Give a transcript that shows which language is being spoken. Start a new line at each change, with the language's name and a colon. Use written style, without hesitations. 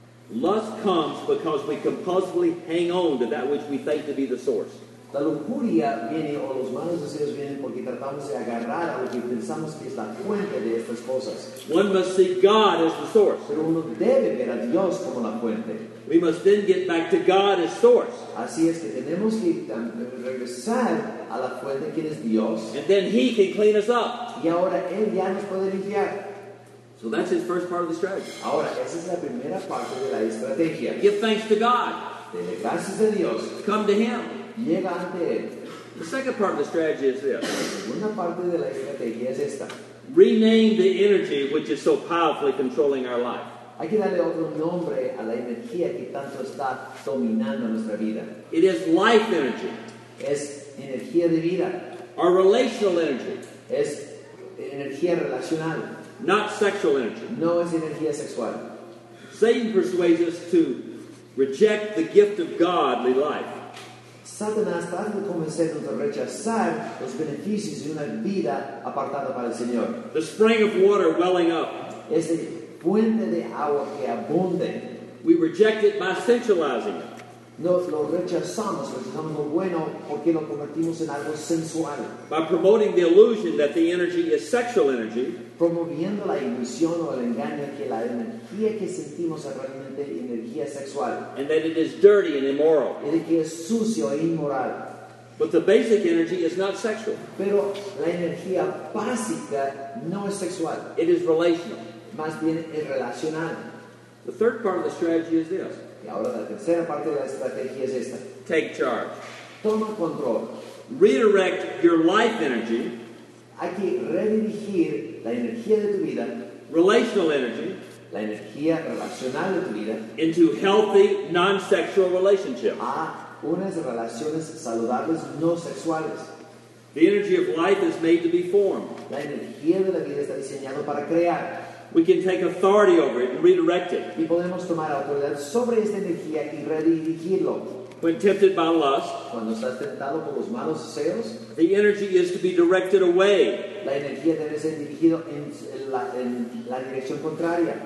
English: Lust comes because we compulsively hang on to that which we think to be the source.
Spanish: La lujuria viene, o los malos deseos vienen, porque tratamos de agarrar a lo que pensamos que es la fuente de estas cosas.
English: One must see God as the source.
Spanish: Pero uno debe ver a Dios como la fuente.
English: We must then get back to God as source.
Spanish: Así es que tenemos que regresar a la fuente que es Dios.
English: And then He can clean us up.
Spanish: Y ahora Él ya nos puede limpiar.
English: So that's his first part of the strategy.
Spanish: Ahora, esa es la primera parte de la estrategia.
English: Give thanks to God.
Spanish: Dele gracias a Dios.
English: Come to Him.
Spanish: Llega ante Él.
English: The second part of the strategy is this.
Spanish: La segunda parte de la estrategia es esta.
English: Rename the energy which is so powerfully controlling our life.
Spanish: Hay que darle otro nombre a la energía que tanto está dominando nuestra vida.
English: It is life energy.
Spanish: Es energía de vida.
English: Our relational energy.
Spanish: Es energía relacional.
English: not sexual energy.
Spanish: No es energía sexual.
English: Satan persuades us to reject the gift of godly life.
Spanish: Satanás trata de convencernos de rechazar los beneficios de una vida apartada para el Señor.
English: The spring of water welling up.
Spanish: Es el puente de agua que abunde.
English: We reject it by sensualizing it.
Spanish: Nos lo rechazamos, lo bueno, porque lo convertimos en algo sensual.
English: By promoting the illusion that the energy is sexual energy,
Spanish: promoviendo la ilusión o el engaño que la energía que sentimos es realmente energía sexual,
English: and that it is dirty and immoral,
Spanish: y de que es sucio e inmoral.
English: But the basic energy is not sexual.
Spanish: Pero la energía básica no es sexual.
English: It is relational.
Spanish: Más bien es relacional.
English: The third part of the strategy is this.
Spanish: Y ahora la tercera parte de la estrategia es esta.
English: Take charge.
Spanish: Toma control.
English: Redirect your life energy.
Spanish: Hay que redirigir la energía de tu vida.
English: Relational energy.
Spanish: La energía relacional de tu vida.
English: Into healthy, non-sexual relationships.
Spanish: A unas relaciones saludables, no sexuales.
English: The energy of life is made to be formed.
Spanish: La energía de la vida está diseñada para crear.
English: We can take authority over it and redirect it.
Spanish: Y podemos tomar autoridad sobre esta energía y redirigirlo.
English: When tempted by lust,
Spanish: cuando estás tentado por los malos deseos,
English: the energy is to be directed away.
Spanish: La energía debe ser dirigida en la dirección contraria.